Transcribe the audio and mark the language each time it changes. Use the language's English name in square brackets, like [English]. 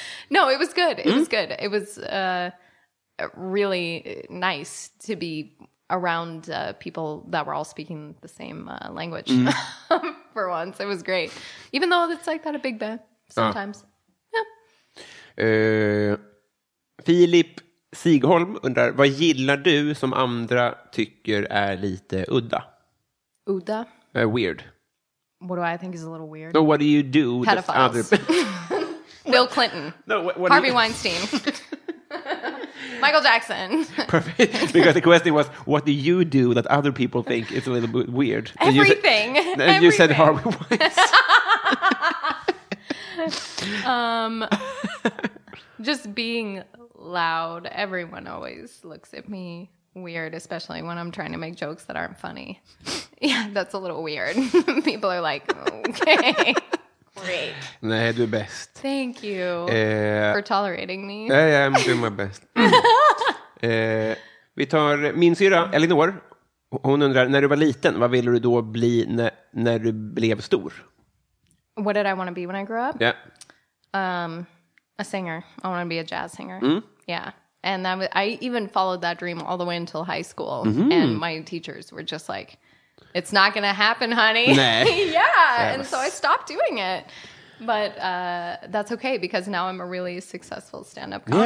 [English] No, it was good. It was good. It was really nice to be... around people that were all speaking the same language for once. It was great. Even though it's like that a big band sometimes. [Swedish] Filip Sigholm undrar, vad gillar du som andra tycker är lite udda? Udda? [English] Weird. What do I think is a little weird? No, what do you do? Pedophiles. Bill Clinton. No, Harvey Weinstein. Michael Jackson. Perfect. Because the question was, what do you do that other people think is a little bit weird? Everything. You said Harvey Weinstein. just being loud. Everyone always looks at me weird, especially when I'm trying to make jokes that aren't funny. Yeah, that's a little weird. People are like, okay. Great. [Swedish] Nej, du är bäst. [English] Thank you for tolerating me. Yeah, I'm doing my best. [Swedish] Vi tar min syra, Elinor. Hon undrar, när du var liten, vad ville du då bli när du blev stor? [English] What did I want to be when I grew up? Yeah. A singer. I want to be a jazz singer. Mm. Yeah. And I even followed that dream all the way until high school. Mm-hmm. And my teachers were just like, it's not going to happen, honey. Nah. Yeah. And so I stopped doing it. But that's okay, because now I'm a really successful stand-up comic.